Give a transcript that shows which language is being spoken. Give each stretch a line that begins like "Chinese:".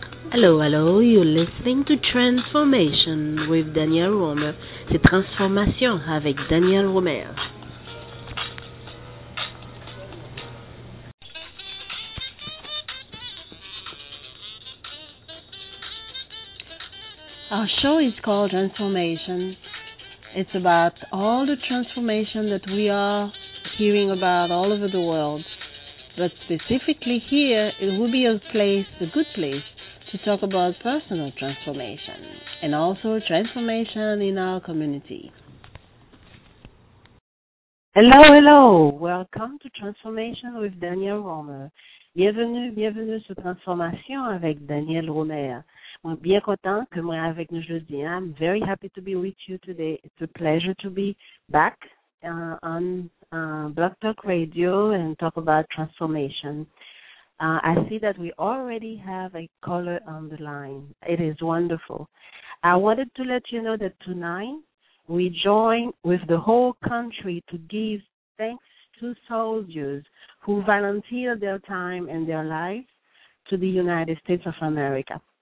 English: Hello, hello, you're listening to Transformation with Daniel Romer.
French: C'est Transformation avec Daniel Romer.
English: Our show is called Transformation. It's about all the transformation that we are hearing about all over the world. But specifically here, it will be a place, a good place, to talk about personal transformation and also transformation in our community. Hello, hello. Welcome to Transformation with Daniel Romer.
French: Bienvenue, bienvenue sur Transformation avec Daniel Romer. Moi, bien content que moi avec nous aujourd'hui.
English: I'm very happy to be with you today. It's a pleasure to be back on Blog Talk Radio and talk about transformation. I see that we already have a caller on the line. It is wonderful. I wanted to let you know that tonight we join with the whole country to give thanks to soldiers who volunteer their time and their lives to the United States of America.